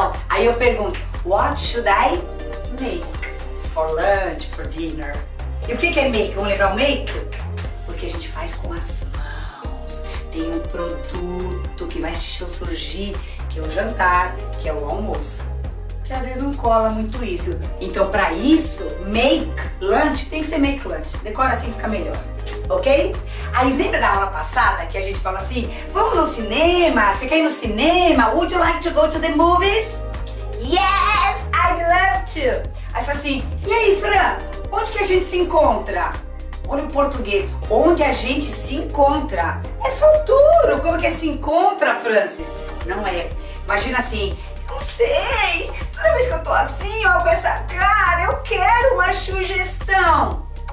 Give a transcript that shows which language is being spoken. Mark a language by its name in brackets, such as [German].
[Portuguese] Aí eu pergunto, [English] what should I make for lunch, for dinner? [Portuguese] E por que é make? Vamos lembrar o make? Porque a gente faz com as mãos. Tem um produto que vai surgir, que é o jantar, que é o almoço. Porque às vezes não cola muito isso. Então pra isso, [English] make lunch tem que ser make lunch. [Portuguese] Decora assim, fica melhor. Ok? Aí lembra da aula passada que a gente fala assim, vamos no cinema, você quer ir no cinema? [English] Would you like to go to the movies? Yes, I'd love to. [Portuguese] Aí fala assim, e aí Fran, onde que a gente se encontra? Olha o português, onde a gente se encontra? É futuro, como que é se encontra, Francis? Não é, imagina assim, não sei, toda vez que eu tô assim, ó, com essa cara, eu quero uma sugestão.